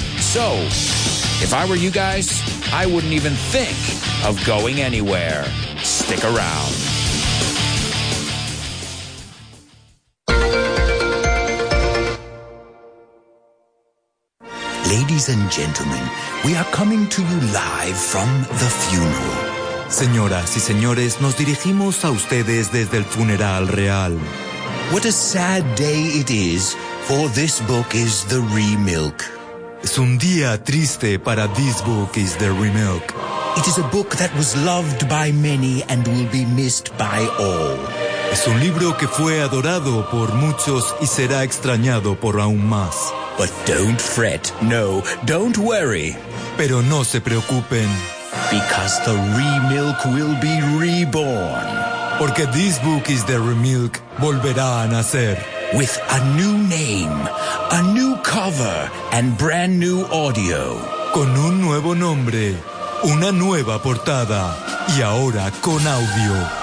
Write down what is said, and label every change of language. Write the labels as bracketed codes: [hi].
[en] So, if I were you guys, I wouldn't even think of going anywhere. Stick around. Ladies and gentlemen, we are coming to you live from the funeral. [es] Señoras y señores, nos dirigimos a ustedes desde el funeral real. [en] What a sad day it is, for this book is the remilk. [es] Es un día triste para this book is the remilk. [en] It is a book that was loved by many and will be missed by all. [es] Es un libro que fue adorado por muchos y será extrañado por aún más. [en] But don't fret, no, don't worry. [es] Pero no se preocupen. [en] Because the remilk will be reborn. [es] Porque this book is the remilk volverá a nacer. [en] With a new name, a new cover, and brand new audio. [es] Con un nuevo nombre, una nueva portada, y ahora con audio.